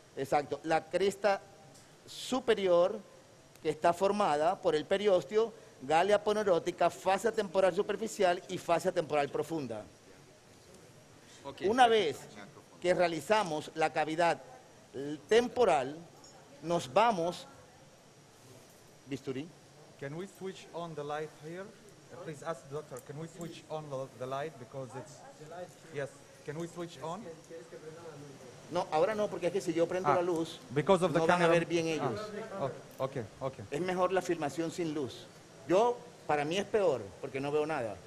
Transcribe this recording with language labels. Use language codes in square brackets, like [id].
[es] Exacto, la crista superior que está formada por el periósteo, galea aponeurótica, fascia temporal superficial y fascia temporal profunda. [en] Okay. [es] Una vez que realizamos la cavidad temporal, nos vamos bisturí. [en] Can we switch on the light here? Please ask the doctor, can we switch on the light because it's... Yes, can we switch on? [es] No, ahora no, porque es que si yo prendo la luz, [en] because of the [es] no [en] camera. [es] Van a ver bien ellos. [en] Okay. [es] Es mejor la filmación sin luz. Yo, para mí es peor, porque no veo nada.